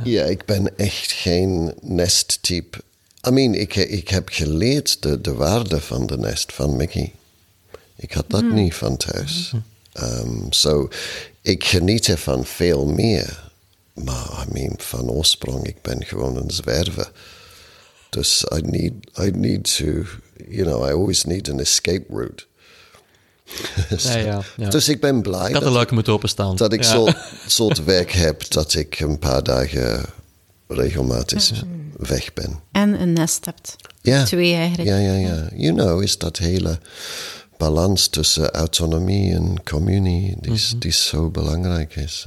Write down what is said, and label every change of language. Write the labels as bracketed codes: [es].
[nl] Ja, ik ben echt geen nesttype. [en] I mean, [nl] ik heb geleerd de waarde van de nest van Mickey. Ik had dat niet van thuis. [en] So, [nl] ik geniet ervan veel meer. Maar, [en] I mean, [nl] van oorsprong, ik ben gewoon een zwerver. Dus [en] I need to, you know, I always need an escape route. [nl] Dus ik ben blij dat de luiken moeten openstaan. Dat ik soort werk heb dat ik een paar dagen regelmatig weg ben. En een nest hebt. Ja. Twee eigenlijk. Ja, ja, ja. [en] You know, [nl] is dat hele balans tussen autonomie en communie die zo belangrijk is.